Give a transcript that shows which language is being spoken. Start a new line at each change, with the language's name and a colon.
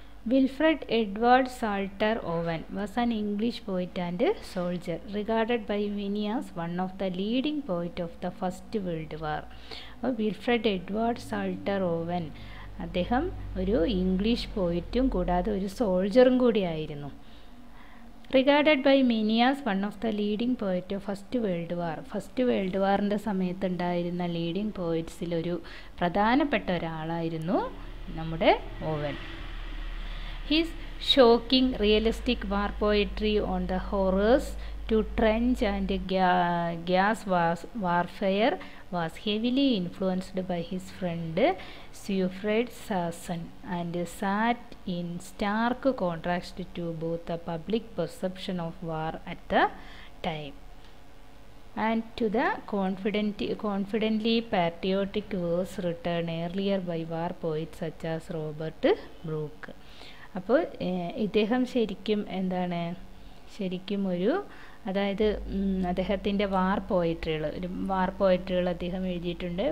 English: Wilfred Edward Salter Owen was an English poet and soldier regarded by many as one of the leading poet of the First World War.
Malayalam: അപ്പോൾ Wilfred Edward Salter oven അദ്ദേഹം ഒരു English പോയറ്റും കൂടാതെ ഒരു സോൾജറും കൂടിയായിരുന്നു.
English: Regarded by many as one of the leading poets of First World War.
Malayalam: First World War-ന്റെ സമയത്തുണ്ടായിരുന്ന leading പോയറ്റ്സിൽ ഒരു പ്രധാനപ്പെട്ട ഒരാളായിരുന്നു നമ്മുടെ oven.
English: His shocking realistic war poetry on the horrors to trench and gas warfare was heavily influenced by his friend Siegfried Sassoon and sat in stark contrast to both the public perception of war at the time and to the confidently patriotic verse written earlier by war poets such as Robert Brooke.
Malayalam: അപ്പോൾ ഇദ്ദേഹം ശരിക്കും എന്താണ് ശരിക്കും ഒരു അതായത് അദ്ദേഹത്തിൻ്റെ വാർ പോയട്രികൾ ഒരു വാർ പോയട്രികൾ അദ്ദേഹം എഴുതിയിട്ടുണ്ട്.